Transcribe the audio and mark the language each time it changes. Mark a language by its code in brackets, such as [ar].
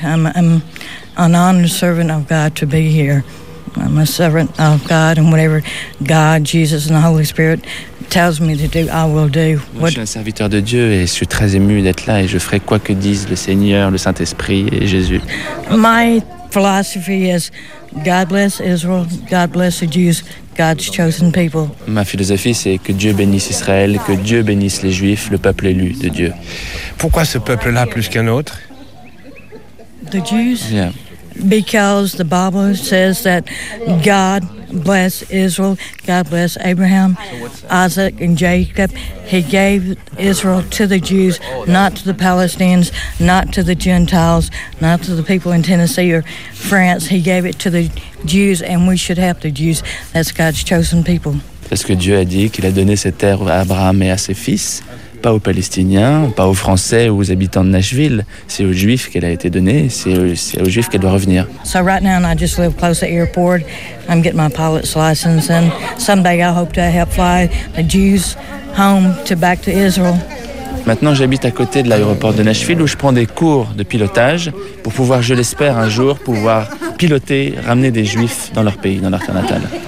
[en] I'm an honored servant of God to be here. I'm a servant of God, and whatever God, Jesus, and the Holy Spirit tells me to do, I will do. [fr] Moi, je suis un serviteur de Dieu et je suis très ému d'être là et je ferai quoi que disent le Seigneur, le Saint-Esprit et Jésus. [en] My philosophy is God bless Israel, God bless the Jews, God's chosen people. [fr] Ma philosophie, c'est que Dieu bénisse Israël, que Dieu bénisse les Juifs, le peuple élu de Dieu. Pourquoi ce peuple-là plus qu'un autre? [en] The Jews? Yeah. Because the Bible says that God bless Israel, God bless Abraham, Isaac, and Jacob. He gave Israel to the Jews, not to the Palestinians, not to the Gentiles, not to the people in Tennessee or France. He gave it to the Jews, and we should help the Jews. That's God's chosen people. [fr] Parce que Dieu a dit qu'il a donné cette terre à Abraham et à ses fils, pas aux Palestiniens, pas aux Français ou aux habitants de Nashville. C'est aux Juifs qu'elle a été donnée, c'est aux Juifs qu'elle doit revenir. [en] So right now I just live close to the airport. I'm getting my pilot's license and someday I hope to help fly the Jews home to back to Israel. [fr] Maintenant, j'habite à côté de l'aéroport de Nashville où je prends des cours de pilotage pour pouvoir, je l'espère, un jour pouvoir piloter, ramener des Juifs dans leur pays, dans leur terre natale.